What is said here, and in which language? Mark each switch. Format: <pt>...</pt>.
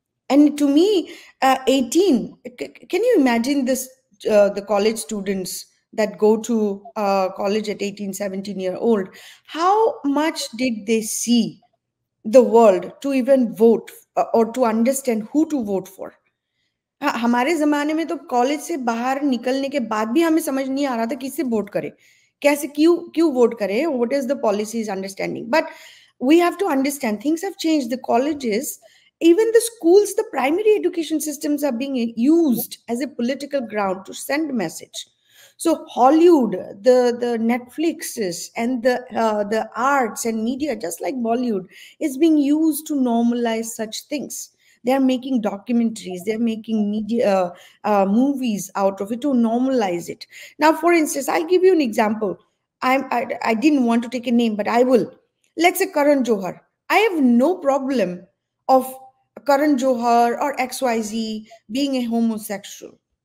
<en>And to me, 18, can you imagine this, the college students that go to college at 18, 17 year old, how much did they see the world to even vote or to understand who to vote for?</en> <hi>हमारे जमाने में तो college से बाहर निकलने के बाद भी हमें समझ नहीं आ रहा था किसे वोट करें, कैसे, क्यों वोट करें,</hi> <en>What is the policies understanding. But we have to understand things have changed. The colleges, even the schools, the primary education systems are being used as a political ground to send message. So Hollywood, the Netflix and the arts and media, just like Bollywood, is being used to normalize such things. They are making documentaries, they are making media movies out of it to normalize it. Now, for instance, I'll give you an example. I didn't want to take a name, but I will. Let's say Karan Johar. I have no problem of Karan Johar or XYZ being a homosexual.</en>